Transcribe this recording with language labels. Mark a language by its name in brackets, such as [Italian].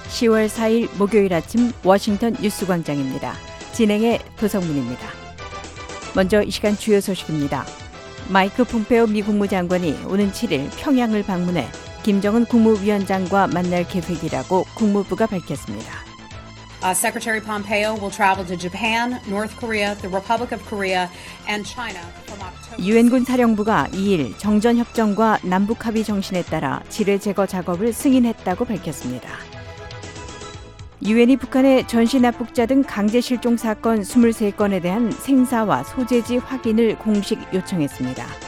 [Korean] 10월 4일 목요일 아침 워싱턴 뉴스 광장입니다. 진행의 도성문입니다. 먼저 이 시간 주요 소식입니다. 마이크 폼페오 미 국무장관이 오는 7일 평양을 방문해 김정은 국무위원장과 만날 계획이라고 국무부가 밝혔습니다. [English] Secretary Pompeo will travel to Japan, North Korea, the Republic of Korea, and China from October. [Korean] 유엔군 사령부가 2일 정전 협정과 남북 합의 정신에 따라 지뢰 제거 작업을 승인했다고 밝혔습니다. 유엔이 북한의 전시 납북자 등 강제 실종 사건 23건에 대한 생사와 소재지 확인을 공식 요청했습니다.